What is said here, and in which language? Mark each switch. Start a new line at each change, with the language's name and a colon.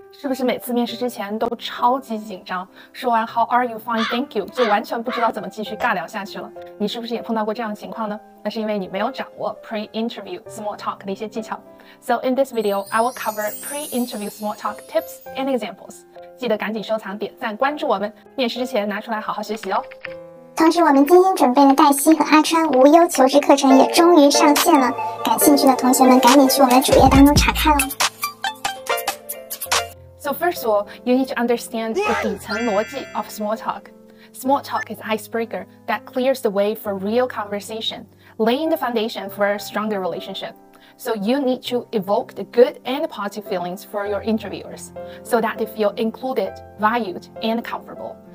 Chinese: 是不是每次面试之前都超级紧张？说完
English: How are you? Fine, thank you,
Chinese: 就完全不知道怎么继续尬聊下去了。你是不是也碰到过这样的情况呢？那是因为你没有掌握
English: pre-interview small talk
Chinese: 的一些技巧。
English: So in this video, I will cover pre-interview small talk tips and examples.
Chinese: 记得赶紧收藏、点赞、关注我们，面试之前拿出来好好学习哦。同时，我们精心准备的黛西和阿川无忧求职课程也终于上线了，感兴趣的同学们赶紧去我们的主页当中查看哦。
English: So first of all, you need to understand the
Chinese: 底层逻辑
English: of small talk. Small talk is an icebreaker that clears the way for real conversation, laying the foundation for a stronger relationship. So you need to evoke the good and positive feelings for your interviewers so that they feel included, valued, and comfortable.